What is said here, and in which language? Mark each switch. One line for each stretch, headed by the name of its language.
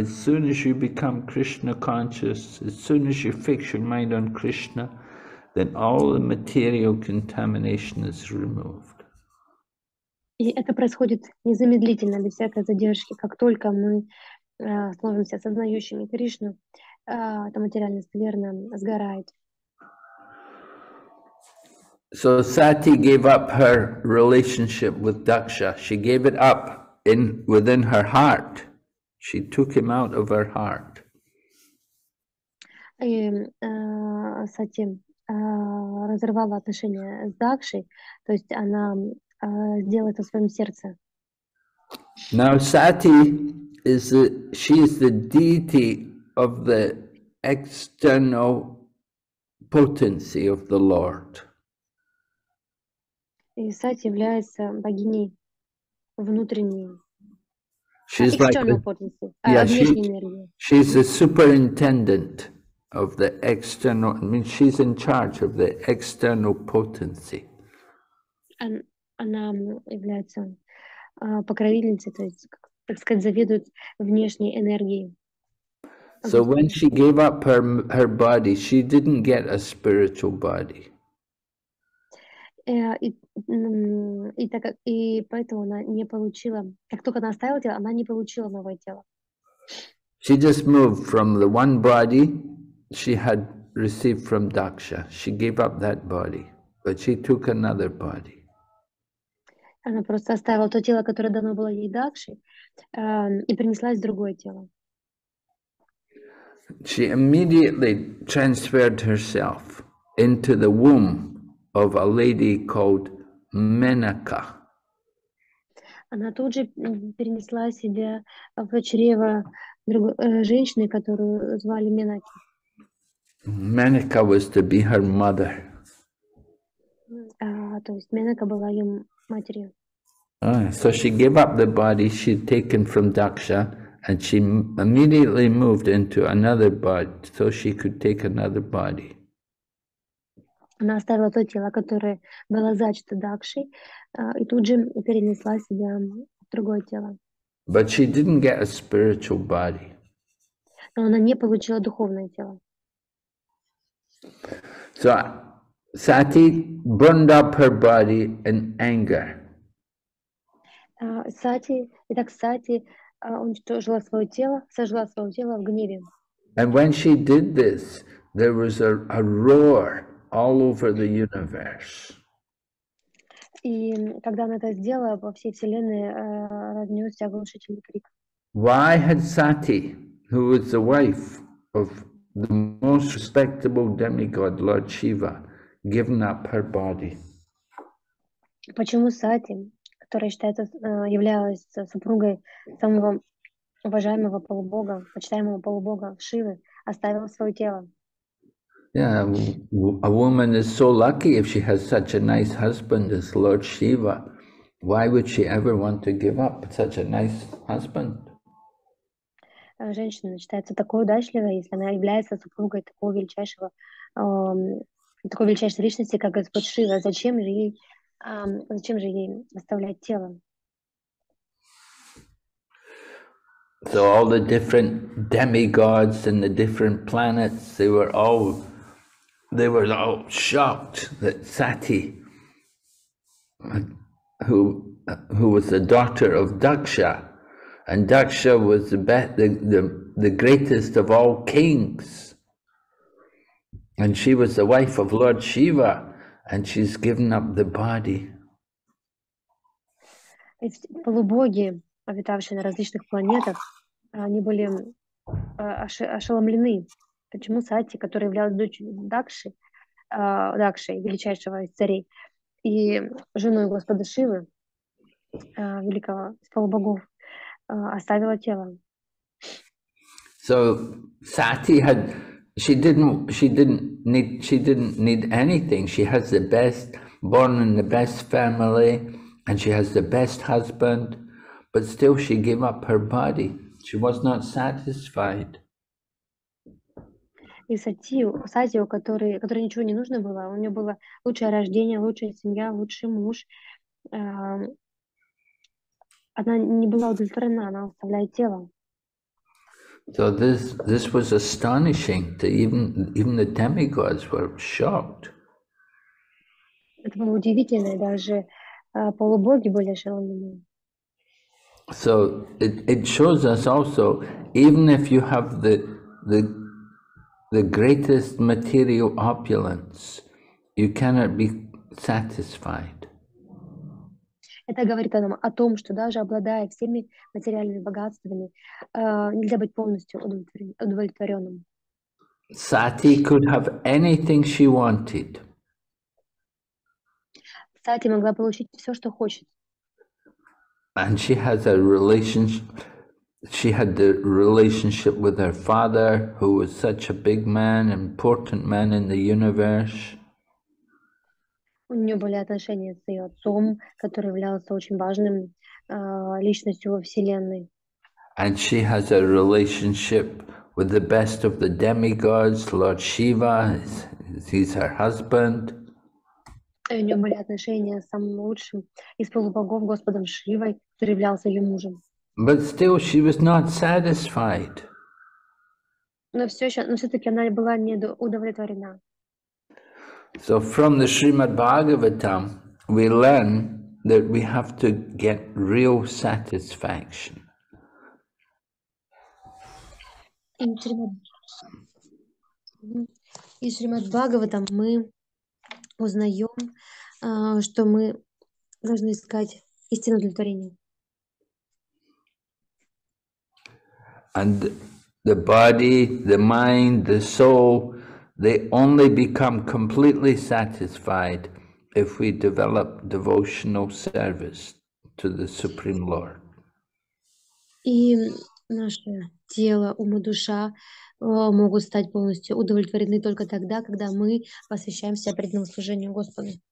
English: As soon as you become Krishna conscious, as soon as you fix your mind on Krishna, then all the material contamination is removed.
Russian: И это происходит незамедлительно, без всякой задержки, как только мы становимся осознающими Кришну, это материальное скверно сгорает.
English: So Sati gave up her relationship with Daksha. She gave it up within her heart. She took him out of her heart.
Russian: И Сати разорвала отношения с Дакшей, то есть она сделала это в своем сердце.
English: Now Sati is the, she is the deity of the external potency of the Lord.
Russian: И Сати является богиней внутренней.
English: She's like external potency. Yeah, she's the superintendent of the external. I mean, she's in charge of the external potency.
Russian: Она является покровительницей, то есть, так сказать, заведует внешней энергией.
English: So when she gave up her body, she didn't get a spiritual body.
Russian: И поэтому она не получила, как только она оставила тело, она не получила новое тело.
English: She just moved from the one body she had received from Daksha. She gave up that body, but she took another body.
Russian: Она просто оставила то тело, которое дано было ей Дакши, и принесла из другое тело.
English: She immediately transferred herself into the womb of a lady called Menaka.
Russian: Она тут же перенесла себя в чрево женщины, которую звали Менаки.
English: Menaka was to be her mother.
Russian: То есть Менака была ее матерью.
English: So she gave up the body she'd taken from Daksha, and she immediately moved into another body, so she could take another body.
Russian: Она оставила то тело, которое было зачато Дакшей, и тут же перенесла себя в другое тело.
English: But she didn't get a spiritual body.
Russian: Но она не получила духовное тело.
English: So Sati burned up her body in anger.
Russian: Сати уничтожила свое тело, сожгла свое тело в гневе.
English: And when she did this, there was a roar all over the universe.
Russian: И когда она это сделала, во всей вселенной разнесся оглушительный крик.
English: Why had Sati, who was the wife of the most respectable demigod, Lord Shiva, given up her body?
Russian: Почему Сати, которая считается являлась супругой самого уважаемого полубога, почитаемого полубога Шивы, оставила свое тело?
English: Yeah, a woman is so lucky if she has such a nice husband as Lord Shiva. Why would she ever want to give up such a nice husband?
Russian: Женщина считается такой удачливой, если она является супругой такой величайшей личности, как Господь Шива. Зачем же ей оставлять тело?
English: So all the different demigods and the different planets, they were all shocked that Sati, who was the daughter of Daksha, and Daksha was the greatest of all kings, and she was the wife of Lord Shiva, and she's given up the body.
Russian: Полубоги, обитавшие на различных планетах, они были ошеломлены. Почему Сати, которая являлась дочерью Дакши, величайшего из царей, и женой господа Шивы, великого из полубогов, оставила тело?
English: So Sati had, she didn't need anything. She has the best, born in the best family, and she has the best husband, but still she gave up her body. She was not satisfied.
Russian: И Сати, которой ничего не нужно было, у нее было лучшее рождение, лучшая семья, лучший муж. Она не была удовлетворена, она оставляет тело.
English: So this was astonishing. Even the demigods were shocked.
Russian: Это было удивительно, даже полубоги были ошеломлены.
English: So it shows us also, even if you have the greatest material opulence, you cannot be satisfied.
Russian: Это говорит нам о том, что даже обладая всеми материальными богатствами, нельзя быть полностью удовлетворенным.
English: Sati could have anything she wanted.
Russian: Сати могла получить все, что хочет.
English: And she has a relationship, she had the relationship with her father, who was such a big man, important man in the universe.
Russian: У нее были отношения с ее отцом, который являлся очень важным личностью во вселенной.
English: And she has a relationship with the best of the demigods, Lord Shiva, he's her husband.
Russian: У нее были отношения с самым лучшим из полубогов, Господом Шивой, который являлся ее мужем.
English: But still she was not satisfied.
Russian: Но все-таки она была не удовлетворена.
English: So from the Srimad Bhagavatam we learn that we have to get real satisfaction.
Russian: Из Шримад Бхагаватам мы узнаем, что мы должны искать истинное удовлетворение.
English: And the body, the mind, the soul, they only become completely satisfied if we develop devotional service to the Supreme Lord.
Russian: И наше тело, ум и душа могут стать полностью удовлетворены только тогда, когда мы посвящаемся преданному служению Господу.